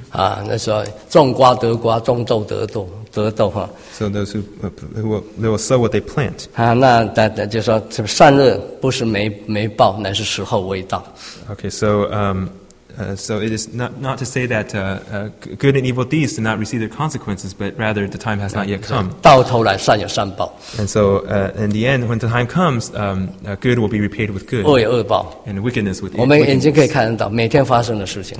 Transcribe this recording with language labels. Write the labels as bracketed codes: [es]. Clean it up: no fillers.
[zh] 啊，那时候种瓜得瓜，种豆得豆，得豆哈。 [en] So those who will sow what they plant. [zh] 啊，那但就说这个善恶不是没报，乃是时候未到。 [en] Okay, so so it is not to say that good and evil deeds do not receive their consequences, but rather the time has not yet come. [zh] 到头来善有善报。 [en] And so in the end, when the time comes, good will be repaid with good. [zh] 恶有恶报。 [en] And wickedness with wickedness. [zh] 我们眼睛可以看得到每天发生的事情。